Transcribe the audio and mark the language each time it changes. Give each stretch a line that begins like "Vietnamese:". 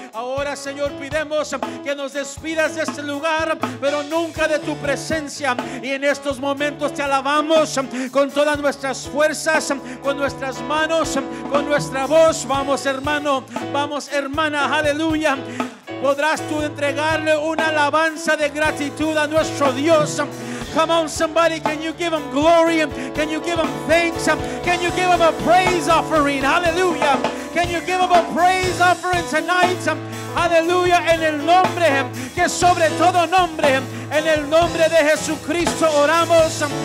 Spanish: Ahora, Señor, pidemos que nos des pidas de este lugar, pero nunca de tu presencia. Y en estos momentos te alabamos con todas nuestras fuerzas, con nuestras manos, con nuestra voz. Vamos, hermano, vamos, hermana, aleluya. Podrás tú entregarle una alabanza de gratitud a nuestro Dios.
English: Come on, somebody, can you give him glory? Can you give him thanks? Can you give him a praise offering? Hallelujah. Can you give him a praise offering tonight? Hallelujah.
Spanish: En el nombre que sobre todo nombre, en el nombre de Jesucristo oramos.